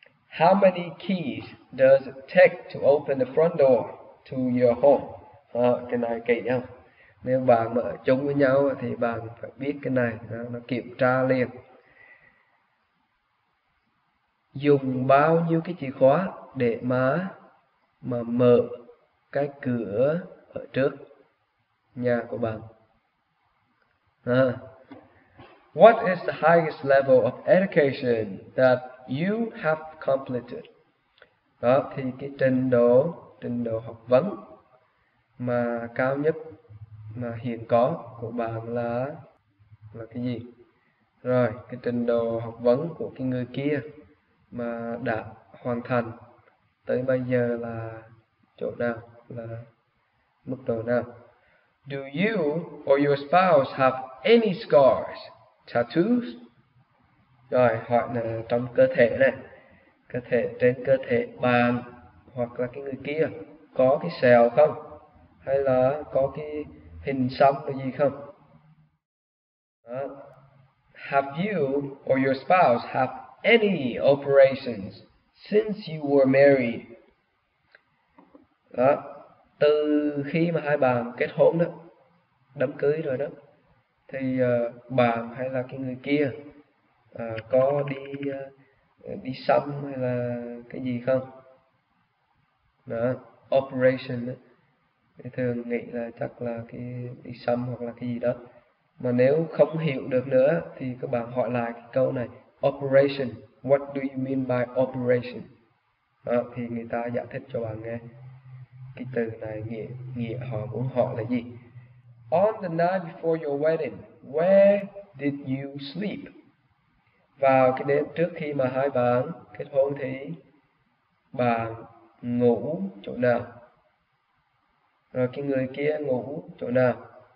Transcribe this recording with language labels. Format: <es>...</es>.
<en>How many keys does it take to open the front door to your home?</en> <vi>Cái này kỹ không? Nếu bạn mà ở chung với nhau thì bạn phải biết cái này, nó kiểm tra liền. Dùng bao nhiêu cái chìa khóa để mà mở cái cửa ở trước nhà của bạn?</vi> <en>What is the highest level of education that you have completed?</en> <vi>Đó, thì cái trình độ học vấn mà cao nhất mà hiện có của bạn là cái gì? Rồi, cái trình độ học vấn của cái người kia mà đã hoàn thành tới bây giờ là chỗ nào là mức độ nào.</vi> <en>Do you or your spouse have any scars, tattoos?</en> <vi>Rồi, hỏi là trong cơ thể này, cơ thể trên cơ thể bạn hoặc là cái người kia có cái sẹo không? Hay là có cái hình xăm cái gì không? Đó.</vi> <en>Have you or your spouse have any operations since you were married?</en> <vi>Đó. Từ khi mà hai bạn kết hôn đó, đám cưới rồi đó, thì bạn hay là cái người kia có đi đi xăm hay là cái gì không? Đó, operation đó. Thì thường nghĩ là chắc là cái đi xăm hoặc là cái gì đó. Mà nếu không hiểu được nữa thì các bạn hỏi lại cái câu này.</vi> <en>Operation, what do you mean by operation?</en> <vi>Đó, thì người ta giải thích cho bạn nghe cái từ này nghĩa họ muốn họ là gì.</vi> <en>On the night before your wedding, where did you sleep?</en> <vi>Vào cái đêm trước khi mà hai bạn kết hôn thì bạn ngủ chỗ nào? Rồi cái người kia ngủ chỗ nào?</vi>